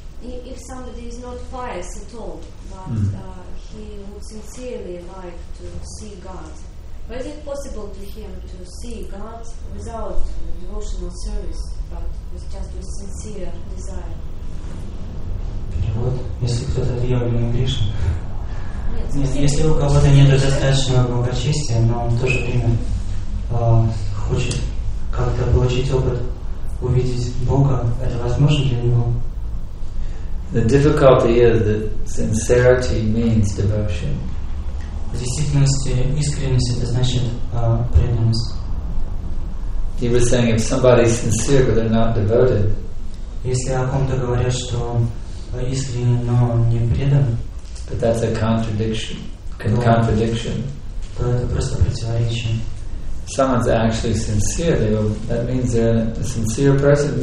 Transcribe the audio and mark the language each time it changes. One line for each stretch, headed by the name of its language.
English: if somebody is not pious at all, but he would sincerely like to see God, but is it possible to him to see God without devotional service, but with just with sincere desire?
Russian: Перевод. Если кто-то объявлен грешен. Если у кого-то нет достаточного благочестия, но он в то же время хочет как-то получить опыт, увидеть Бога, это возможно для него?
English: The difficulty is that sincerity means devotion.
Russian: В действительности искренность это значит преданность.
English: He was saying if somebody is sincere but they're not devoted.
Russian: Если о ком-то говорят, что он искренне, но не предан.
English: But that's a contradiction.
Russian: То это просто противоречие.
English: Someone's actually sincere. They will, that means they're a sincere person.